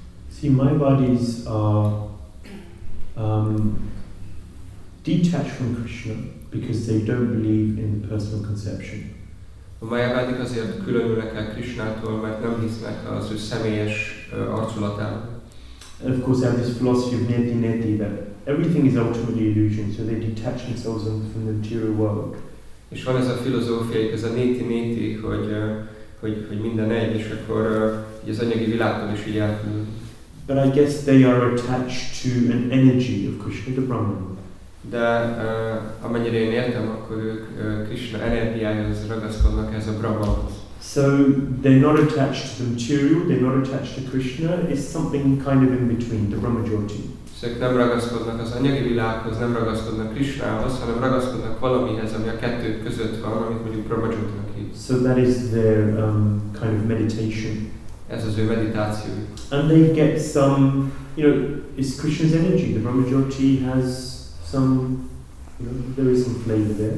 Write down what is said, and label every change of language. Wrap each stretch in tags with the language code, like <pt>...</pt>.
<en>See, mayavadis are detached from Krishna because they don't believe in the personal conception.</en> <hu>A mayavádik azért különülnek el Krishnától, mert nem hisznek az ő személyes arculatán.</hu> <en>Of course, they have this philosophy of neti neti, that everything is ultimately illusion, so they detach themselves from the material world.</en> <hu>És van ez a filozófia, ez a neti neti, hogy minden egy, és akkor az anyagi világtól is így elkülön.</hu> <en>But I guess they are attached to an energy of Krishna, the Brahman.</en> <hu>De amennyire én értem, akkor ők Krishna energiájához ragaszkodnak, ez a Brahmanhoz.</hu> <en>So they're not attached to the material, they're not attached to Krishna, it's something kind of in between, the Brahmajyoti.</en> <hu>Szóval nem ragaszkodnak az anyagi világhoz, nem ragaszkodnak Krishnához, hanem ragaszkodnak valamihez, ami a kettő között van, amit mondjuk Brahmajyotinak hív.</hu> <en>So that is their kind of meditation.</en> <hu>Ez az ő meditációjuk.</hu> <en>And they get some, you know, it's Krishna's energy, the Brahmajyoti has some, you know, there is some flavor</en>